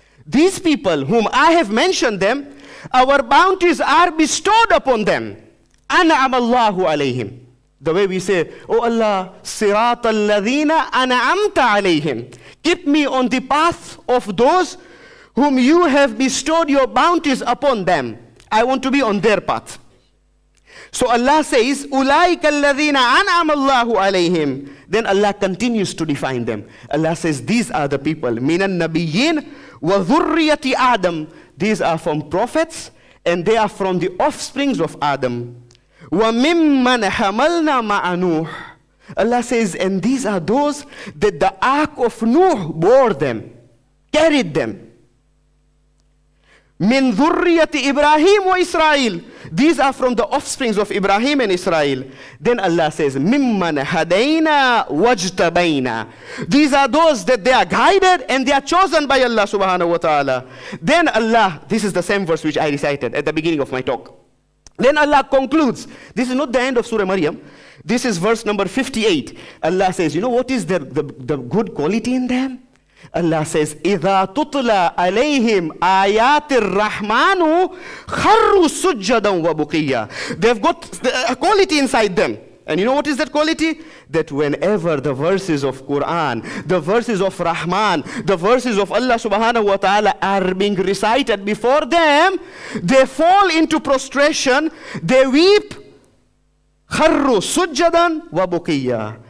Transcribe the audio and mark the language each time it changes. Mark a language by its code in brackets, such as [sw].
[en] These people whom I have mentioned them, our bounties are bestowed upon them. [ar] An'ama Allahu alayhim. [en] The way we say, oh Allah, [ar] sirat alladhina an'amta alayhim. [en] Keep me on the path of those whom you have bestowed your bounties upon them. I want to be on their path. So Allah says, [ar] أُولَٰئِكَ الَّذِينَ أَنْعَمَ اللَّهُ عَلَيْهِمْ. [en] Then Allah continues to define them. Allah says, these are the people. [ar] مِنَ النَّبِيِّينَ وَذُرِّيَّةِ آدَمْ. [en] These are from prophets, and they are from the offsprings of Adam. [ar] وَمِمَّنْ حَمَلْنَا مَعَ نُوحٍ. [en] Allah says, and these are those that the ark of Nuh bore them, carried them. [ar] مِنْ ذُرِّيَّةِ إِبْرَاهِيمُ وَإِسْرَائِيلُ. [en] These are from the offsprings of Ibrahim and Israel. Then Allah says, [ar] مِمَّنْ هَدَيْنَا وَاجْتَبَيْنَا. [en] These are those that they are guided and they are chosen by Allah subhanahu wa ta'ala. Then Allah, this is the same verse which I recited at the beginning of my talk. Then Allah concludes. This is not the end of Surah Maryam. This is verse number 58. Allah says, you know what is the good quality in them? [ar] Allah says, إِذَا تُطْلَى عَلَيْهِمْ آيَاتِ الرَّحْمَانُ خَرُّوا سُجَّدًا وَبُقِيًّا. [en] They've got a quality inside them. And you know what is that quality? That whenever the verses of Quran, the verses of Rahman, the verses of Allah subhanahu wa ta'ala are being recited before them, they fall into prostration, they weep, [ar] خَرُّوا سُجَّدًا وَبُقِيًّا.